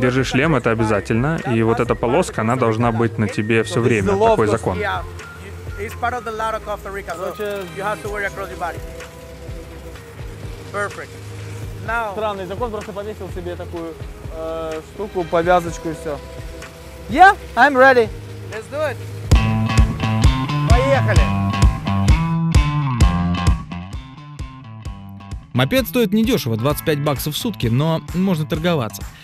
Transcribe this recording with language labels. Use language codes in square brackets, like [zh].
[ru] Держи шлем, это обязательно, и вот эта полоска, она должна быть на тебе все время. Такой закон. [en] It's part of the law of Costa Rica, so you have to wear it across your body. Perfect. Now. [ru] Странный закон, просто повесил себе такую штуку, повязочку и все. [en] Yeah, I'm ready. Let's do it. [ru] Поехали. Мопед стоит недешево, 25 баксов в сутки, но можно торговаться.